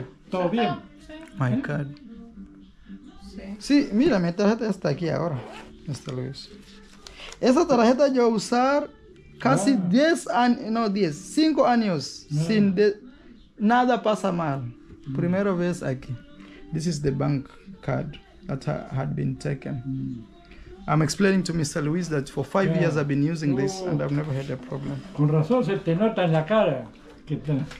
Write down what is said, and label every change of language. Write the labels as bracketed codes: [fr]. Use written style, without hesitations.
[es] Todo bien. [en] My God. [es] Sí, mira, mi tarjeta está aquí ahora, Mr. Luis. Esa tarjeta yo usar casi 5 años sin de, nada pasa mal. Primera vez aquí. [en] This is the bank card that had been taken. I'm explaining to Mr. Luis that for 5 years I've been using this and I've never had a problem. [es] Con razón se te nota en la cara que te...